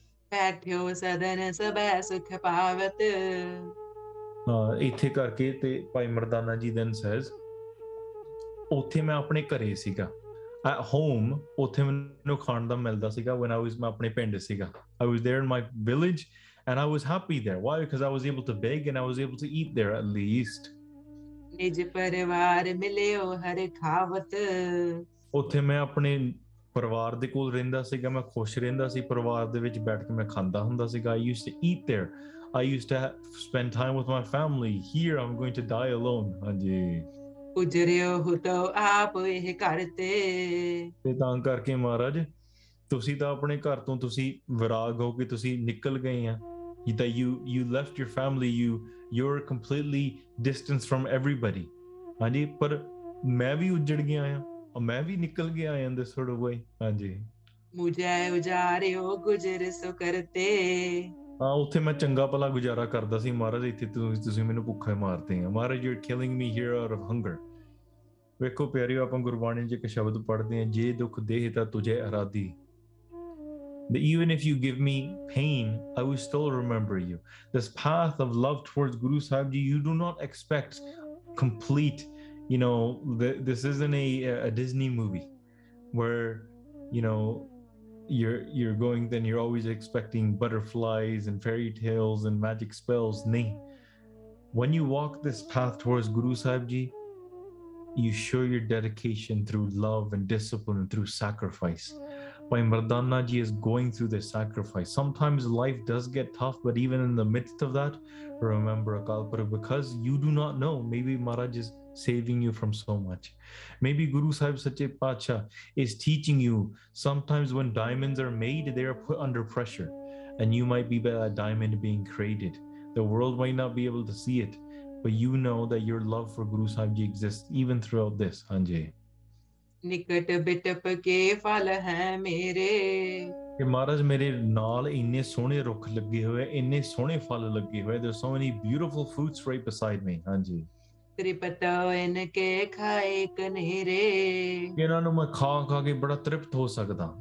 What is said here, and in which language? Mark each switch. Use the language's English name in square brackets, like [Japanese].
[Punjabi] ਬੈਠਿਓ ਸਦਨ ਸਭੈ ਸੁਖ ਪਾਵਤ। ਹਾਂ ਇੱਥੇ ਕਰਕੇ ਤੇ ਭਾਈ ਮਰਦਾਨਾ ਜੀ ਦੇ ਅਨਸਰਸ, ਉੱਥੇ ਮੈਂ ਆਪਣੇ ਘਰੇ ਸੀਗਾ, [English] at home, [Punjabi] ਉੱਥੇ ਮੈਨੂੰ ਖਾਣ ਦਾ ਮਿਲਦਾ ਸੀਗਾ। [English] when I was, [Punjabi] ਮੈਂ ਆਪਣੇ ਪਿੰਡ ਸੀਗਾ, [English] I was there in my village, and I was happy there. Why? Because I was able to beg and I was able to eat there at least. [Punjabi] ਨਿਜ ਪਰਿਵਾਰ ਮਿਲਿਓ ਹਰ ਖਾਵਤ। ਉੱਥੇ ਮੈਂ ਆਪਣੇ ਪਰਿਵਾਰ ਦੇ ਕੋਲ ਰਹਿੰਦਾ ਸੀਗਾ, ਮੈਂ ਖੁਸ਼ ਰਹਿੰਦਾ ਸੀ ਪਰਿਵਾਰ ਦੇ ਵਿੱਚ ਬੈਠ ਕੇ, ਮੈਂ ਖਾਂਦਾ ਹੁੰਦਾ ਸੀਗਾ। [English] I used to eat there. I used to spend time with my family. Here I'm going to die alone. [Punjabi] ਹਾਂਜੀ ਉਜਰਿਓ ਹੋ ਤੋ ਆਪ ਇਹ ਕਰਤੇ। ਤੇ ਤਾਂ ਕਰਕੇ ਮਹਾਰਾਜ ਤੁਸੀਂ ਤਾਂ ਆਪਣੇ ਘਰ ਤੋਂ ਤੁਸੀਂ ਵਿਰਾਗ ਹੋ ਕੇ ਤੁਸੀਂ ਨਿਕਲ ਗਏ ਆ, ਜਿੱਦਾਂ [English] You left your family, you are completely distance from everybody. [Punjabi] ਹਾਂਜੀ ਪਰ ਮੈਂ ਵੀ ਉੱਜੜ ਗਿਆ ਆ, ਮੈਂ ਵੀ ਨਿਕਲ ਗਿਆ ਆ [English] This sort of way. [Punjabi] ਹਾਂਜੀ ਮੁਝੇ ਉਜਾਰਿਓ ਗੁਜ਼ਰ ਸੋ ਕਰਤੇ। ਹਾਂ ਉੱਥੇ ਮੈਂ ਚੰਗਾ ਭਲਾ ਗੁਜ਼ਾਰਾ ਕਰਦਾ ਸੀ ਮਹਾਰਾਜ, ਇੱਥੇ ਤੁਸੀਂ ਮੈਨੂੰ ਭੁੱਖਾ ਮਾਰਦੇ ਆ। ਮਹਾਰਾਜ [English] You are killing me here out of hunger. [Punjabi] ਵੇਖੋ ਪਿਆਰੀ, ਆਪਾਂ ਗੁਰਬਾਣੀ 'ਚ ਇੱਕ ਸ਼ਬਦ ਪੜ੍ਹਦੇ ਹਾਂ, ਜੇ ਦੁੱਖ ਦੇਹ ਤਾਂ ਤੁਝੇ ਅਰਾਧੀ। [English] Even if you give me pain, I will still remember you. This path of love towards Guru Sahib Ji, you do not expect complete, you know, this isn't a Disney movie where, you know, you're going, then you're always expecting butterflies and fairy tales and magic spells. Nay, when you walk this path towards Guru Sahib Ji, you show your dedication through love and discipline and through sacrifice. Bhai Mardana Ji is going through this sacrifice. Sometimes life does get tough, but even in the midst of that, remember Akal Purakh, because you do not know, maybe Maharaj is saving you from so much. Maybe Guru Sahib Sache Pacha is teaching you, sometimes when diamonds are made, they are put under pressure, and you might be by that diamond being created. The world might not be able to see it, but you know that your love for Guru Sahib Ji exists even throughout this. Anjay. [Punjabi] ਨਿਕਟ ਬਿਟਪ ਕੇ ਫਲ ਹੈ ਮੇਰੇ। ਮਹਾਰਾਜ ਮੇਰੇ ਨਾਲ ਇੰਨੇ ਸੋਹਣੇ ਰੁੱਖ ਲੱਗੇ ਹੋਏ, ਇੰਨੇ ਸੋਹਣੇ ਫਲ ਲੱਗੇ ਹੋਏ, [English] There are so many beautiful fruits right beside me. [Punjabi] ਹਾਂਜੀ ਤ੍ਰਿਪਤ ਇਨ ਕੇ ਖਾਏ ਕਨੇਰੇ। ਇਹਨਾਂ ਨੂੰ ਮੈਂ ਖਾ ਕੇ ਬੜਾ ਤ੍ਰਿਪਤ ਹੋ ਸਕਦਾ।